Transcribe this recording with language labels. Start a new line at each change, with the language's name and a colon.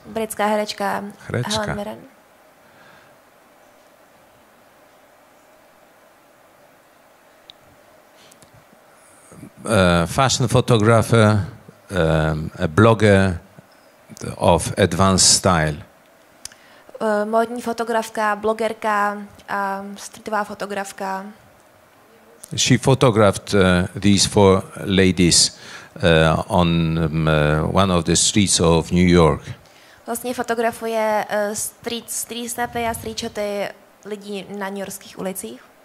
Czech: Britská herečka. Helen Mirren. Uh,
English: fashion photographer, a blogger of advanced style.
Czech: Módní fotografka, blogerka, streetová fotografka.
English: She photographed these four ladies on one of the streets of New York.
Czech: Vlastně fotografuje street snapy a street shoty lidí na newyorských ulicích.